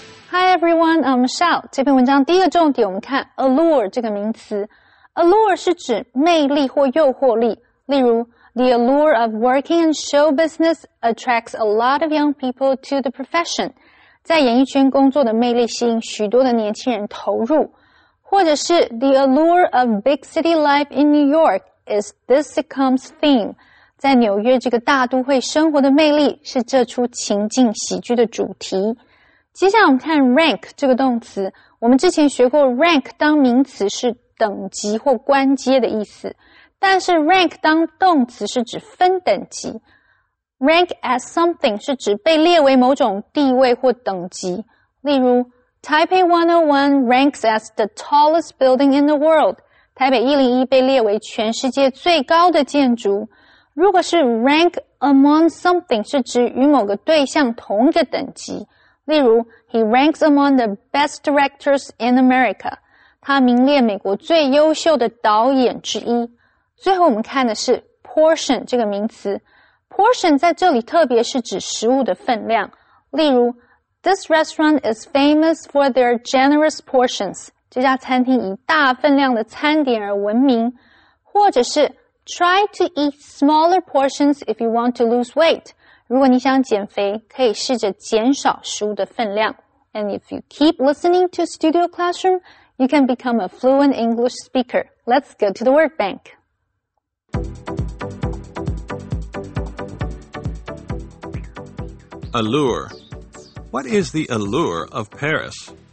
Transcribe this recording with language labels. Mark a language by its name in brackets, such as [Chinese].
[English] Hi, everyone. I'm Michelle. [Chinese] 这篇文章第一个重点我们看 allure 这个名词。 Allure 是指魅力或诱惑力。例如 [English] ,the allure of working in show business attracts a lot of young people to the profession. [Chinese] 在演艺圈工作的魅力吸引许多的年轻人投入。或者是 [English] ,the allure of big city life in New York is this sitcom's theme. [Chinese] 在纽约这个大都会生活的魅力是这出情景喜剧的主题。接下来我们看 rank 这个动词，我们之前学过 rank 当名词是等级或官阶的意思，但是 rank 当动词是指分等级。 rank as something 是指被列为某种地位或等级，例如 [English] Taipei 101 ranks as the tallest building in the world， [Chinese] 台北101被列为全世界最高的建筑。如果是 rank among something 是指与某个对象同一个等级，例如 , [English] he ranks among the best directors in America. [Chinese] 他名列美国最优秀的导演之一。最后我们看的是 portion 这个名词。portion 在这里特别是指食物的分量。例如 [English] ,this restaurant is famous for their generous portions. [Chinese] 这家餐厅以大分量的餐点而闻名。或者是 [English] ,try to eat smaller portions if you want to lose weight. [Chinese] 如果你想减肥，可以试着减少食物的分量。 [English] And if you keep listening to Studio Classroom, you can become a fluent English speaker. Let's go to the word bank. Allure. What is the allure of Paris?